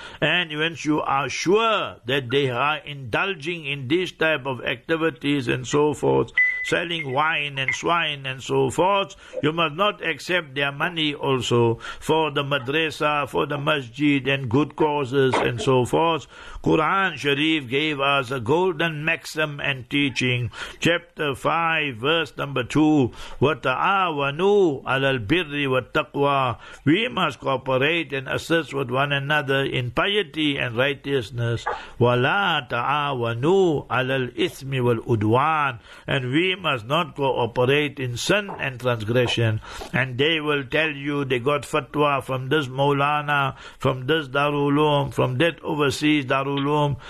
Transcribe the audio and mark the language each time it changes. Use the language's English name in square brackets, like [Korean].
[English] And once you are sure that they are indulging in these type of activities and so forth, selling wine and swine and so forth, you must not accept their money also for the madrasa, for the masjid and good causes and so forth. Quran Sharif gave us a golden maxim and teaching. Chapter 5, verse number 2, [Arabic] وَتَعَوَنُوا عَلَى الْبِرِّ وَالتَّقْوَى. [English] We must cooperate and assist with one another in piety and righteousness. [Arabic] وَلَا تَعَوَنُوا عَلَى الْإِثْمِ وَالْعُدْوَانِ. [English] And we must not cooperate in sin and transgression. And they will tell you they got fatwa from this Maulana, from this Darul Uloom, from that overseas Darul Uloom.